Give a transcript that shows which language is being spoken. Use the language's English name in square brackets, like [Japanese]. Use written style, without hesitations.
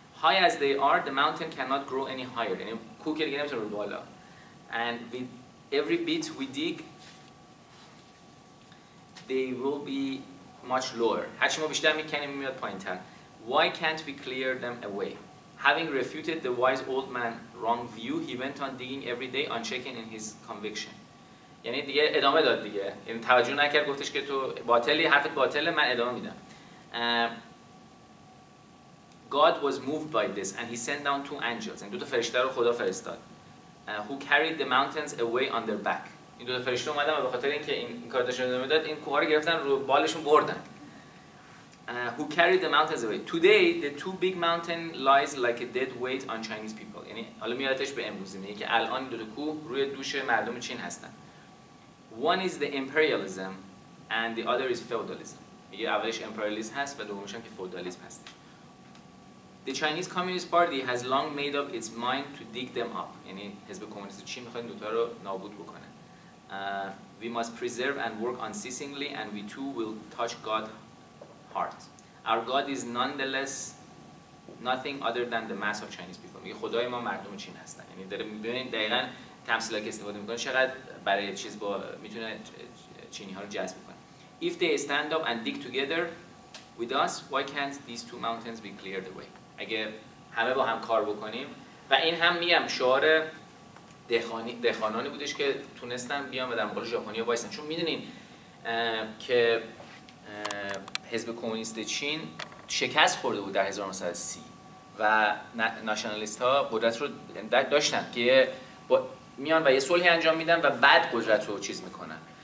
[English] High as they are, the mountain cannot grow any higher. [Persian] یعنی کوه که دیگه نمیتونه رو بالا. [English] And with every bit we dig, they will be much lower. [Persian] هرچی ما بیشتر میکنیم میاد پایین تر. [English] Why can't we clear them away? Having refuted the wise old man's wrong view, he went on digging every day, unshaken in his conviction. [Persian] یعنی دیگه ادامه داد دیگه. یعنی توجه نکرد گفتش که تو باطلی، حرفت باطله، من ادامه میدم. [English] God was moved by this and he sent down two angels. [Persian] این دو تا فرشته رو خدا فرستاد. [English] Who carried the mountains away on their back. [Persian] این دو تا فرشته اومدن به خاطر اینکه این کار داشت ادامه داد، این کوه رو گرفتن رو بالشون بردن. [English] Who carried the mountains away. Today the two big mountain lies like a dead weight on Chinese people. [Persian] یعنی حالا میادش به امروز، یعنی که الان دو تا کوه روی دوش مردم چین هستن. [English] One is the imperialism and the other is feudalism. [Persian] یه اولش imperialism هست و دومش هم که feudalism هست. [English] The Chinese Communist Party has long made up its mind to dig them up. [Persian] یعنی حزب کمونیست چین میخواد دوتا رو نابود بکنه. [English] We must preserve and work unceasingly and we too will touch God's heart. Our God is nonetheless nothing other than the mass of Chinese people. [Persian] میگه خدای ما مردم چین هستن. یعنی داره میبینید دقیقاً تمثیل که استفاده میکنه چقدر برای چیز با میتونه چینی ها رو جذب کنه. [English] If they stand up and dig together with us, why can't these two mountains be cleared away? [Persian] اگه همه با هم کار بکنیم. و این هم میگم شعار دهخانانی بودش که تونستن بیان و در مقابل ژاپنیا وایسن. چون میدونین که حزب کمونیست چین شکست خورده بود در 1930 و ناشنالیست ها قدرت رو داشتن که با میان و یه صلحی انجام میدن و بعد قدرت رو چیز میکنن.